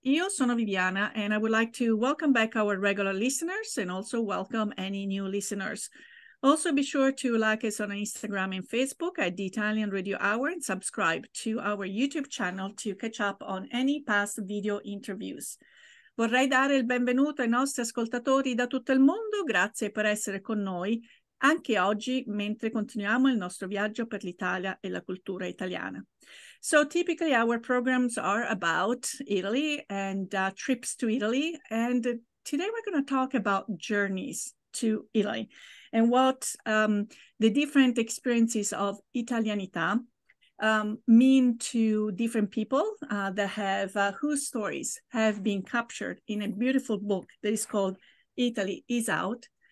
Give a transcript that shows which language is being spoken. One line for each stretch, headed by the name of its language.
Italian: Io sono
English: Viviana and I would like to welcome back our regular listeners and also welcome any new listeners. Also be sure to like us on Instagram and Facebook at the Italian Radio Hour and subscribe to our YouTube channel to catch up on any past video interviews.
Italian: Vorrei dare il benvenuto ai nostri ascoltatori da tutto il mondo, grazie per essere con noi. Anche oggi, mentre continuiamo il nostro viaggio per l'Italia e la cultura italiana.
English: So typically our programs are about Italy and trips to Italy. And today we're going to talk about journeys to Italy and what the different experiences of Italianità mean to different people that have whose stories have been captured in a beautiful book that is called Italy is Out.